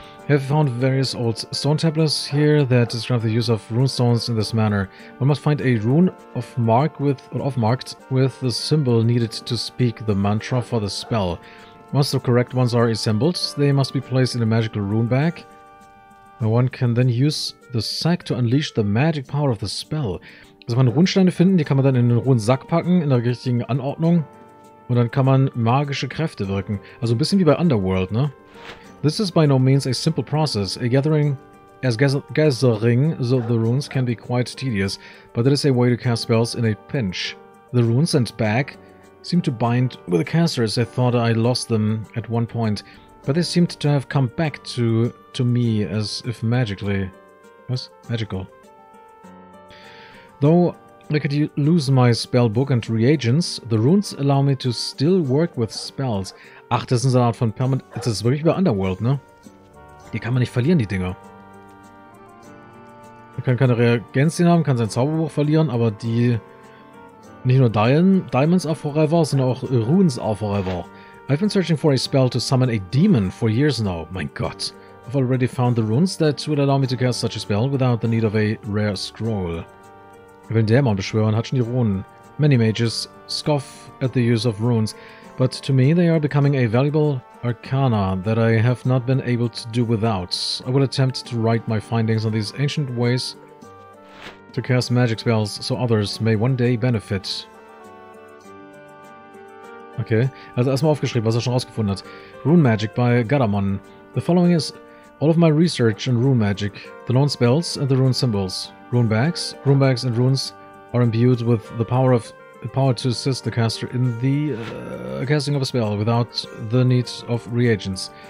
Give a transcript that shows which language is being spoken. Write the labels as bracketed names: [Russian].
[English] Have found various old stone tablets here that describe the use of runestones in this manner. One must find a rune of mark with or off marked with the symbol needed to speak the mantra for the spell. Once the correct ones are assembled, they must be placed in a magical rune bag. One can then use the sack to unleash the magic power of the spell. [German] Also man Runensteine finden, die kann man dann in einen Runensack packen in der richtigen Anordnung und dann kann man magische Kräfte wirken. Also ein bisschen wie bei Underworld, ne? [English] This is by no means a simple process. Gathering the runes can be quite tedious, but that is a way to cast spells in a pinch. The runes and bag seem to bind with the casters. I thought I lost them at one point, but they seemed to have come back to me as if magically. Was? Magical. Though I could lose my spell book and reagents, the runes allow me to still work with spells. [German] Ach, das ist eine Art von Permanent. Das ist wirklich wie bei Underworld, ne? Die kann man nicht verlieren, die Dinger. Man kann keine Reagenzien haben, kann sein Zauberbuch verlieren, aber die. Nicht nur Diamonds are forever, sondern auch Runes are forever. [English] I've been searching for a spell to summon a demon for years now. Mein Gott. I've already found the runes that would allow me to cast such a spell without the need of a rare scroll. [German] Ich will einen Dämon beschwören, hat schon die Runen. [English] Many mages scoff at the use of runes. But to me, they are becoming a valuable arcana that I have not been able to do without. I will attempt to write my findings on these ancient ways to cast magic spells so others may one day benefit. [German] Okay, also erstmal aufgeschrieben, was er schon rausgefunden hat. [English] Rune Magic by Garamon. The following is all of my research in rune magic. The known spells and the rune symbols. Rune bags. Rune bags and runes are imbued with the power of the power to assist the caster in the casting of a spell without the need of reagents.